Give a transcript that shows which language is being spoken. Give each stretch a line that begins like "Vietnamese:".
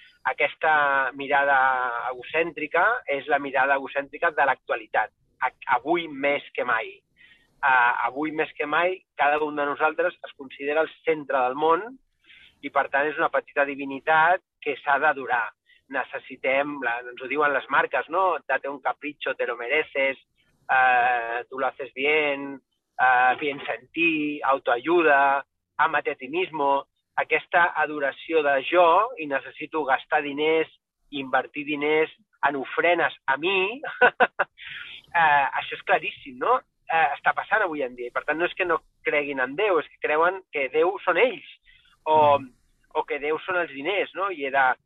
Catalan: Aquesta mirada egocèntrica és la mirada egocèntrica de l'actualitat, avui més que mai. Avui més que mai, cada un de nosaltres es considera el centre del món i, per tant, és una petita divinitat que s'ha d'adorar. Necessitem, ens ho diuen les marques, no?
Spanish: Date un capricho, te lo mereces, tu lo haces bien, piensa en ti, autoayuda, amate a ti mismo.
Catalan: Aquesta adoració de jo, i necessito gastar diners, invertir diners en ofrenes a mi, això és claríssim, no? Està passant avui en dia. Per tant, no és que no creguin en Déu, és que creuen que Déu són ells, o que Déu són els diners, no? I he de